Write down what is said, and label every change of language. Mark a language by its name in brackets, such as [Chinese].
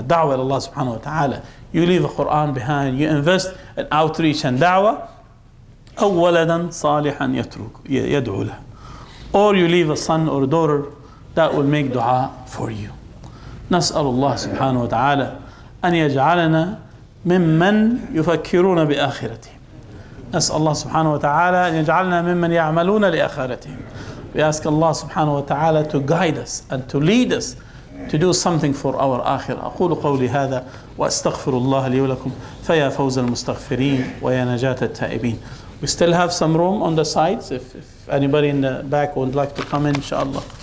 [Arabic] دعوة إلى الله سبحانه وتعالى. [English] You leave the Quran behind. You invest in outreach and دعوة. [Arabic] أو ولدا صالحا يترك يدعو له. [English] Or you leave a son or a daughter that will make دعاء for you. [Arabic] نسأل الله سبحانه وتعالى أن يجعلنا ممن يفكرون بآخرته. نسأل الله سبحانه وتعالى أن يجعلنا ممن يعملون لآخرتهم. [English] We ask Allah سبحانه وتعالى to guide us and to lead us to do something for our آخرة. [Arabic] أقول قولي هذا وأستغفر الله لي ولكم فيا فوز المستغفرين ويا نجاة التائبين. [English] We still have some room on the sides if anybody in the back would like to come in, inshallah.